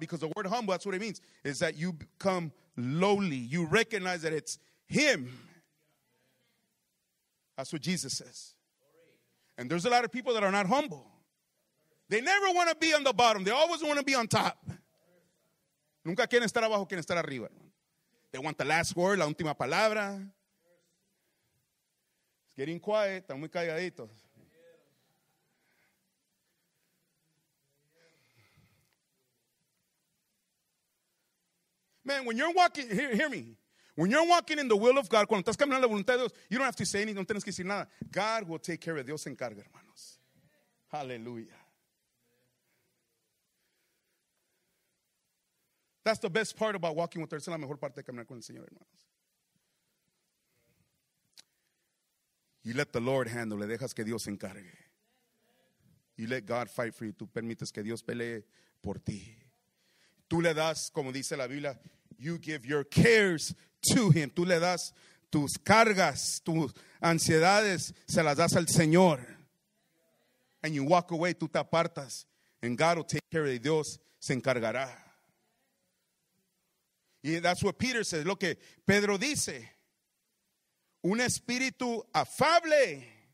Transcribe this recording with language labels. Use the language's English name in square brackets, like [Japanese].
[English] Because the word humble, that's what it means, is that you become lowly. You recognize that it's him. That's what Jesus says. And there's a lot of people that are not humble. They never want to be on the bottom. They always want to be on top. [Spanish] Nunca quieren estar abajo, quieren estar arriba. [English] They want the last word, [Spanish] la última palabra. [English] It's getting quiet. [Spanish] Están muy calladitos. [English] Man, when you're walking, hear me. When you're walking in the will of God, [Spanish] cuando estás caminando en la voluntad de Dios, [English] you don't have to say anything, [Spanish] no tienes que decir nada. [English] God will take care of it. [Spanish] Dios se encarga, hermanos. [English] Hallelujah. That's the best part about walking with the Lord. [Spanish] Es la mejor parte de caminar con el Señor, hermanos. [English] You let the Lord handle. [Spanish] Le dejas que Dios se encargue. [English] You let God fight for you. [Spanish] Tú permites que Dios pelee por ti. Tú le das, como dice la Biblia, [English] you give your cares to him. [Spanish] Tú le das tus cargas, tus ansiedades, se las das al Señor. [English] And you walk away, tú te apartas. And God will take care of you. [Spanish] Dios se encargará. Y [English] that's what Peter says, [Spanish] lo que Pedro dice. Un espíritu afable.